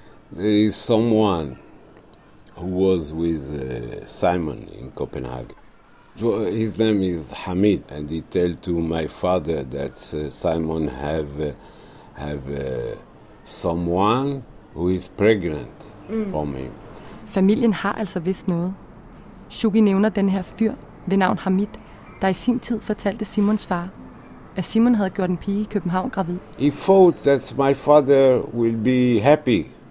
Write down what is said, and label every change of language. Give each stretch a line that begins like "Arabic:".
English: There is someone who was with Simon in Copenhagen. His name is Hamid, and he tell to my father that Simon have someone who is pregnant from him.
Danish: Familien har altså vidst noget. Shuki nævner den her fyr ved navn Hamid, der i sin tid fortalte Simons far, at Simon havde gjort en pige i København gravid.
English: He thought that my father will be happy.